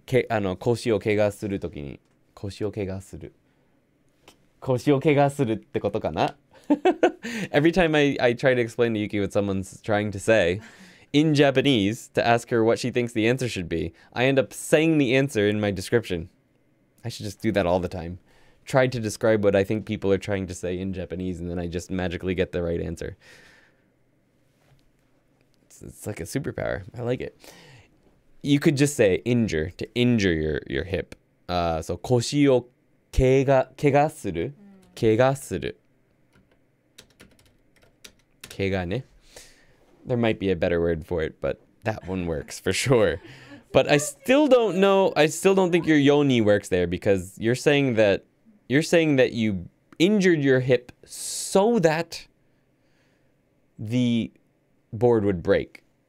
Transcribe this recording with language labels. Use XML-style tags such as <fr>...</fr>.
<ja>け、あの、腰をけがするときに。腰をけがする。腰をけがするってことかな？</ja> <en>Every time I try to explain to Yuki what someone's trying to say in Japanese to ask her what she thinks the answer should be, I end up saying the answer in my description. I should just do that all the time. Try to describe what I think people are trying to say in Japanese and then I just magically get the right answer. It's like a superpower. I like it. You could just say injure, to injure your hip.</en> <ja>So, 腰をけが、けがする、けがする、けがね。</ja> <en>There might be a better word for it, but that one works for sure. But I still don't know, I still don't think your yoni works there because you're saying that you injured your hip so that the board would break.</en>